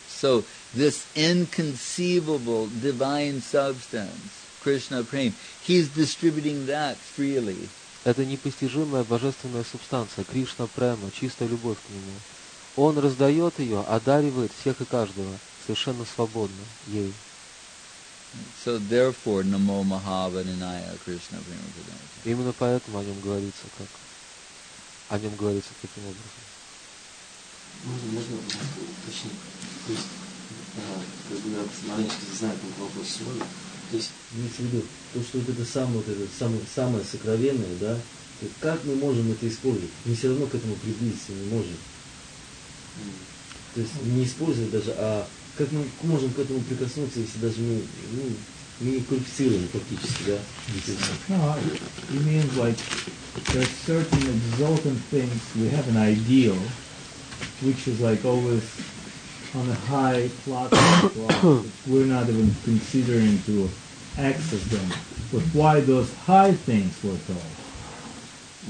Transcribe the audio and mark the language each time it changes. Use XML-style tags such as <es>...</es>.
<en>So this inconceivable divine substance, Krishna Prem, he's distributing that freely.</en> <ru>Это непостижимая божественная субстанция, Кришна Према, чистая любовь к нему. Он раздает ее, одаривает всех и каждого совершенно свободно ей.</ru> <en>So therefore,</en> <sa>Namo Mahavaninaya Krishna Prema Padmaja.</sa> <ru>Именно поэтому о нем говорится как? О нем говорится таким образом. Можно уточнить? То есть, как бы, Маленечко знает этот вопрос сегодня. То есть, имеется в виду, то, что самое сокровенное, да, то как мы можем это использовать? Мы все равно к этому приблизиться не можем. То есть, не использовать даже, а как мы можем к этому прикоснуться, если даже мы не квалифицированы практически, да? Имеем,</ru> <en>like, there are certain exalted things, we have an ideal, which is like always on a high platform, we're not even considering to access them. But why those high things were thought?</en>